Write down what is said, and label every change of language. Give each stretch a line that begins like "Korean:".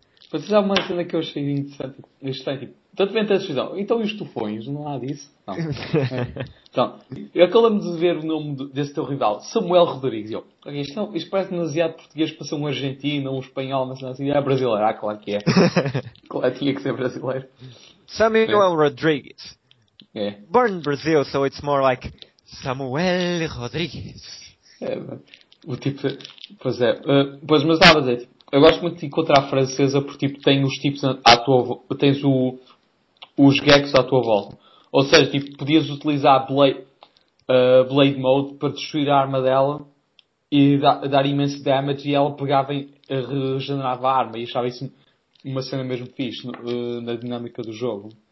Portuguese: Pois há uma cena que eu achei interessante. Este tipo, tanto vem a decisão. Então e os tufões? Não há disso? Não. Então, eu acabo-me de ver o nome desse teu rival, Samuel Rodrigues. Eu, okay, isto parece demasiado português para ser um argentino, um espanhol, mas não é assim. É brasileiro, ah, claro que é. Claro, tinha que ser brasileiro. Samuel Rodrigues. É.
English: Born in Brazil, so it's more like Samuel Rodrigues.
Portuguese: É, o tipo. Pois é. Pois, mas estava a dizer. Eu gosto muito de encontrar a francesa porque, tipo, tem os tipos à tua volta. Tens os gags à tua volta. Ou seja, tipo, podias utilizar Blade Mode para destruir a arma dela e dar imenso damage e ela pegava em, regenerava a arma e achava isso uma cena mesmo fixe na dinâmica do jogo.